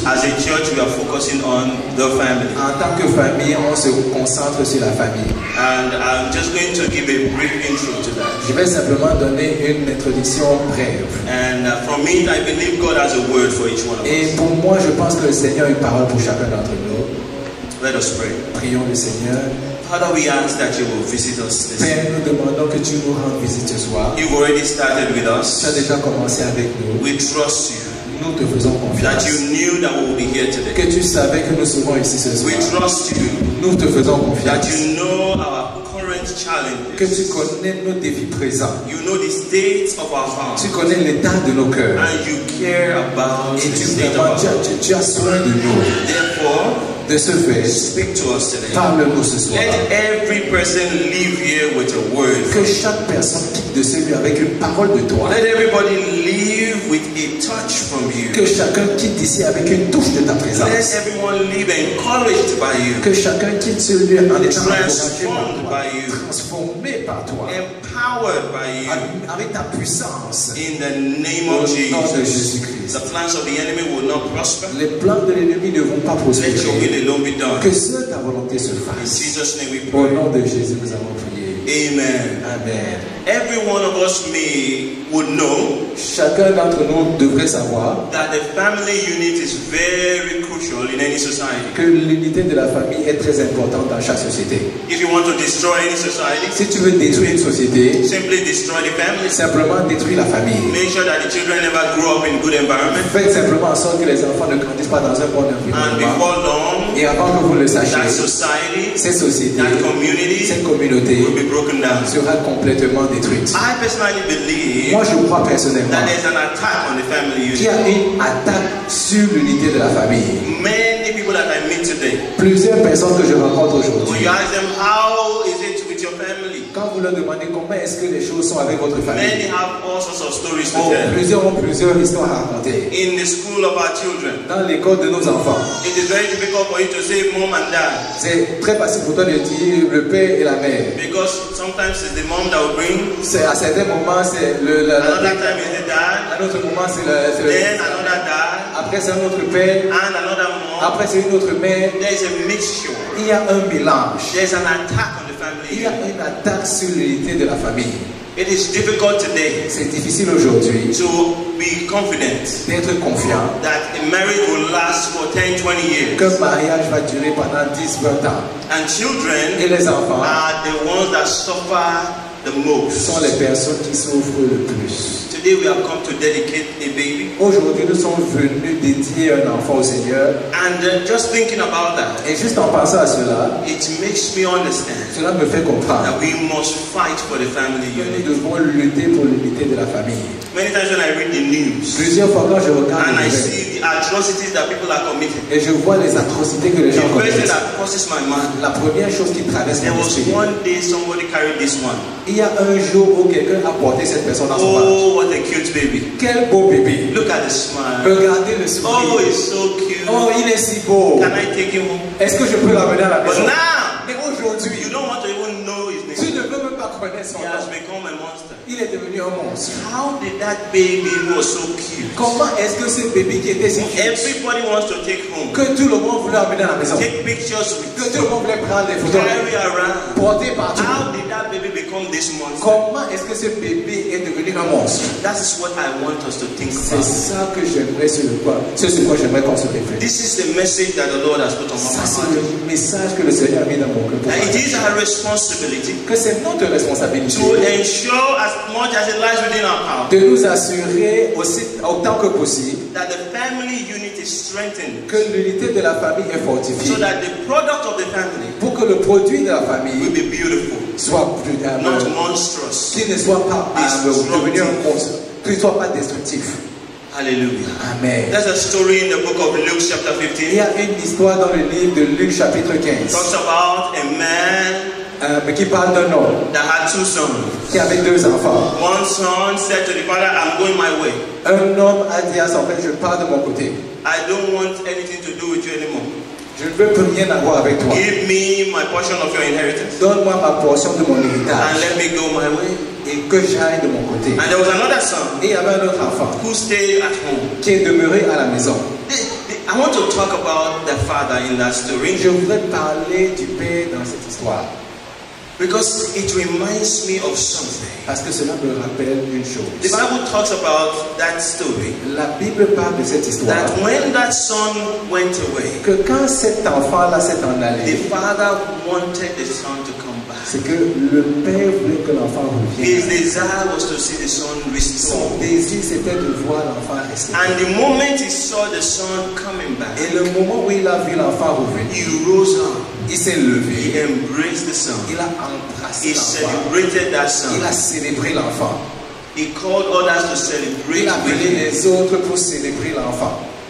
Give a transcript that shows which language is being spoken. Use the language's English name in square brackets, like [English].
[English] as a church, we are focusing on the family. [French] En tant que famille, on se concentre sur la famille. [English] And I'm just going to give a brief intro to that. [French] Je vais simplement donner une introduction brève. [English] And for me, I believe God has a word for each one of us. [French] Et pour moi, je pense que le Seigneur a une parole pour chacun d'entre nous. [English] Let us pray. [French] Prions le Seigneur. [English] Father, we ask that you will visit us this [French] Père, nous demandons que tu nous rendes visite ce soir. [English] You've already started with us. [French] Tu as déjà commencé avec nous. [English] We trust you. [French] Nous te faisons confiance. [English] That you knew that we will be here today. [French] Que tu savais que nous serons ici ce soir. [English] We trust you. [French] Nous te faisons confiance. [English] That you know our current challenges. [French] Que tu connais nos défis présents. [English] You know the state of our hearts. [French] Tu connais l'état de nos cœurs. [English] And you care about [French] et [English] the state of our [French] hearts. Tu as soin de nous. [English] Therefore, [French] de ce fait, [English] speak to us today. [French] Parle-nous ce soir. [English] Let every person leave here with a word. [French] Que chaque personne quitte de ce lieu avec une parole de toi. [English] Let everybody leave with a touch from you. [French] Que chacun quitte d'ici avec une touche de ta présence. [English] Let everyone leave encouraged by you. [French] Que chacun quitte ce lieu en étant [English] transformed by you. [French] Transformé par toi. [English] Empowered by you. [French] Avec ta puissance. [English] In the name of Jesus. The plans of the enemy will not prosper. [French] Les plans de l'ennemi ne vont pas prospérer. [English] Let your will alone be done. [French] Que seule ta volonté se fasse. [English] In Jesus' name we pray. [French] Au nom de Jésus, nous avons prié. [English] Amen. [French] Amen. [English] Every one of us may would know. [French] Chacun d'entre nous devrait savoir [English] that the family unit is very crucial in any society. [French] Que l'unité de la famille est très importante dans chaque société. [English] If you want to destroy any society, [French] si tu veux détruire une société, [English] simply destroy the family. [French] Simplement détruis la famille. [English] Make sure that the children never grow up in good environment. [French] Faites simplement en sorte que les enfants ne grandissent pas dans un bon environnement. [English] And before long, [French] et avant que vous le sachiez, [English] that society, [French] cette société, [English] that community, [French] cette communauté, [English] will be broken down. [French] Sera complètement détruite. [English] I personally believe. [French] Moi, je crois personnellement [English] that there's an attack on the family unit. [French] Qu'il y a une attaque sur l'unité de la famille. [English] Many people that I meet today, [French] plusieurs personnes que je rencontre aujourd'hui, [English] you ask them, how is it with your family? [French] Quand vous leur demandez comment est-ce que les choses sont avec votre famille, [English] many have all sorts of stories to tell. [French] Plusieurs ont plusieurs histoires à raconter. [English] In the school of our children, [French] dans l'école de nos enfants, [English] it is very difficult for you to say mom and dad. [French] C'est très facile pour toi de dire le père et la mère. [English] Because sometimes it's the mom that will bring. [French] C'est à certains moments c'est le [English] another time is the dad. [French] Moment, c'est le, [English] then another dad. [French] Après c'est un autre père. [English] And another mom. [French] Après c'est une autre mère. [English] There is a mixture. [French] Il y a un mélange. [English] There's an attack on the family. [French] Il y a une attaque sur l'unité de la famille. [English] It is difficult today. [French] C'est difficile aujourd'hui. [English] To be confident. [French] D'être confiant. [English] That a marriage will last for 10-20 years. [French] Qu'un mariage va durer pendant 10-20 ans. [English] And children. [French] Et les enfants. [English] Are the ones that suffer. The most. [French] Sont les personnes qui souffrent le plus. [English] Today we have come to dedicate a baby. [French] Aujourd'hui nous sommes venus dédier un enfant au Seigneur. [English] And just thinking about that. [French] Et juste en pensant à cela, [English] it makes me understand. [French] Cela me fait comprendre. [English] That we must fight for the family unit. [French] Nous devons lutter pour l'unité de la famille. [English] Many times when I read the news. [French] Plusieurs fois quand je regarde [English] and I see the atrocities that people are committing. [French] Et je vois les atrocités que les gens commettent. [English] The first thing that crosses my mind. [French] La première chose qui traverse mon esprit. [English] There was one day somebody carried this one. [French] Il y a un jour où quelqu'un a porté cette personne dans son [English] bras. Oh, what a cute baby. [French] Quel beau bébé. [English] Look at the smile. [French] Regardez le sourire. [English] Oh, it's so cute. [French] Oh, il est si beau. [English] Can I take him home? [French] Est-ce que je peux l'amener à la maison? [English] But now, [French] mais aujourd'hui, [English] you don't want to even know his name. [French] Tu ne peux même pas connaître son nom. [English] He has become a monster. [French] Il qu'il est devenu un monstre. [English] How did that baby grow so cute? [French] Comment est-ce que ce bébé qui était si cute? [English] Everybody wants to take home. [French] Que tout le monde voulait amener à la maison. [English] Take pictures with. [French] Que tout le monde voulait prendre des photos. [English] Carry around. [French] Porter partout. [English] How did that baby become this monster? [French] Comment est-ce que ce bébé est devenu un monstre? [English] That is what I want us to think. [French] C'est ça que j'aimerais sur quoi. C'est sur quoi j'aimerais qu'on se réfléchisse. [English] This is the message that the Lord has put on my heart. [French] Ça, c'est le message que le Seigneur a mis dans mon cœur. [English] That it is our responsibility. [French] Que c'est notre responsabilité. [English] To ensure as much as it lies within our power. [French] De nous assurer aussi autant que possible. [English] That the family unit is strengthened. [French] Que l'unité de la famille est fortifiée. [English] So that the product of the family. [French] Pour que le produit de la famille. [English] Will be beautiful. [French] Soit plus [English] not monstrous. [French] Qu'il ne soit pas destructive. Qu'il ne soit pas destructif. [English] Hallelujah. [French] Amen. [English] There's a story in the book of Luke chapter 15. [French] Il y a une histoire dans le livre de Luc chapitre 15. [English] It talks about a man [French] qui parle d'un homme [English] that had two sons. [French] Qui avait deux enfants. [English] One son said to the father, I'm going my way. [French] Un homme a dit à son père, je pars de mon côté. [English] I don't want anything to do with you anymore. [French] Je ne veux plus rien avoir avec toi. [English] Give me my portion of your inheritance. [French] Donne-moi ma portion de mon héritage. [English] And let me go my way. [French] Et que j'aille de mon côté. [English] And there was another son. [French] Et il y avait un autre enfant. [English] Who stayed at home. [French] Qui est demeuré à la maison. [English] I want to talk about the father in that story. [French] Je voudrais parler du père dans cette histoire. [English] Because it reminds me of something. [French] Parce que cela me rappelle une chose. [English] The Bible talks about that story. [French] La Bible parle de cette histoire. [English] That when that son went away. [French] Que quand cet enfant-là s'est en allé. [English] The father wanted the son to come back. [French] C'est que le père voulait que l'enfant revienne. [English] His desire was to see the son restored. [French] Son désir c'était de voir l'enfant restaurer. [English] And the moment he saw the son coming back. [French] Et le moment où il a vu l'enfant revenir. [English] He rose up. [French] Il s'est levé. [English] He embraced the son. [French] Il a embrassé [English] he [French] l'enfant. [English] Celebrated that son. [French] Il a célébré l'enfant. [English] He called others to celebrate. [French] Il a appelé les autres pour célébrer l'enfant.